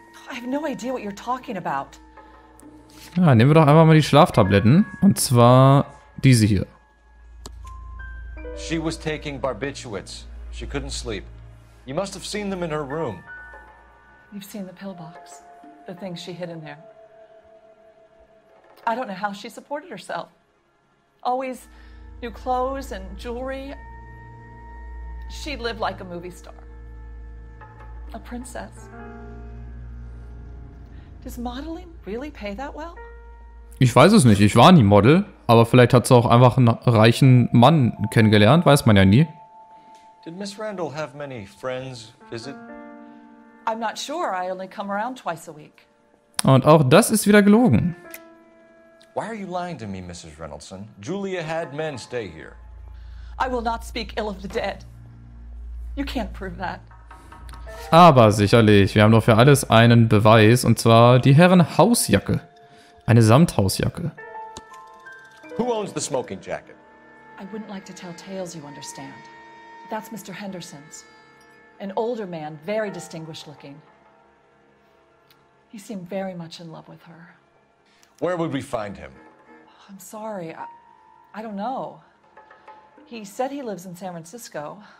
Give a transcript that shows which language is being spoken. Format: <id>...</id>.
<en>I have no idea what you're talking about.</en> <de>Ja, nehmen wir doch einfach mal die Schlaftabletten. Und zwar diese hier.</de> <en>She was taking barbiturates. She couldn't sleep. You must have seen them in her room. You've seen the pillbox. The things she hid in there. I don't know how she supported herself. Always new clothes and jewelry. She lived like a movie star. A princess. Does modeling really pay that well?</en> <de>Ich weiß es nicht, ich war nie Model, aber vielleicht hat sie auch einfach einen reichen Mann kennengelernt, weiß man ja nie.</de> <en>Did Miss Randall have many friends visit? I'm not sure, I only come around twice a week.</en> <de>Und auch das ist wieder gelogen.</de> <en>Why are you lying to me, Mrs. Reynoldson? Julia had men stay here. I will not speak ill of the dead. You can't prove that.</en> <de>Aber sicherlich, wir haben doch für alles einen Beweis, und zwar die Herrenhausjacke. Eine Samthausjacke.</de> <en>Who owns the smoking jacket? I wouldn't like to tell tales, you understand. That's Mr. Henderson's. An older man, very distinguished looking. He seemed very much in love with her. Where would we find him? I'm sorry, I don't know. He said he lives in San Francisco.</en>